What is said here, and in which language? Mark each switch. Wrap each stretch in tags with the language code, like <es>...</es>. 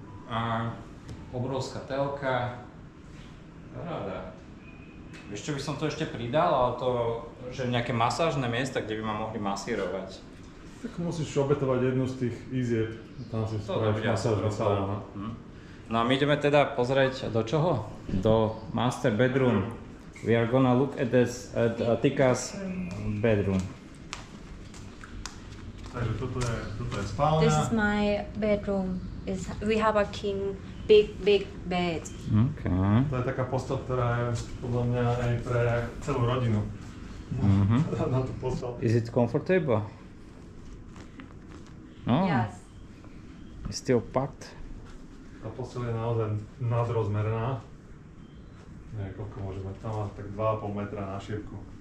<sk>A obrovská telka. Ráda. Ešte by som to ešte pridal, ale to, že nejaké masážne miesta, kde by ma mohli masírovať. Tak musíš obetovať jednu z tých izieb, tam si spraviť masážnú sálu. No a my ideme teda pozrieť do čoho? Do</sk> <en>master bedroom. We are gonna look at this, at Tika's bedroom.</en> <sk>Takže toto je spálna.</sk> <en>This is my bedroom. It's, we have a king, big bed. Okay.</en> <sk>To je taká postel, ktorá je podľa mňa aj pre celú rodinu. Mm-hmm. Na tú postel.</sk> <en>Is it comfortable? No. Yes.</en> <sk>Je</sk> <en>still packed.</en> <sk>Tá posteľ je naozaj nadrozmerná. Neviem, koľko môže mať tam, ale tak 2,5 metra na šírku.</sk>